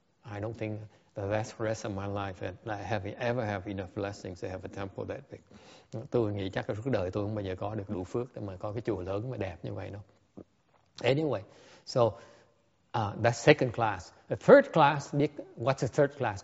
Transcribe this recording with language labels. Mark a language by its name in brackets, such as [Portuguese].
[English] I don't think the rest of my life have enough blessings to have a temple that big. [Vietnamese] Tôi nghĩ chắc là suốt đời tôi không bao giờ có được đủ phước để mà có cái chùa lớn mà đẹp như vậy đâu. [English] Anyway, so. That's second class. The third class, biết, what's the third class?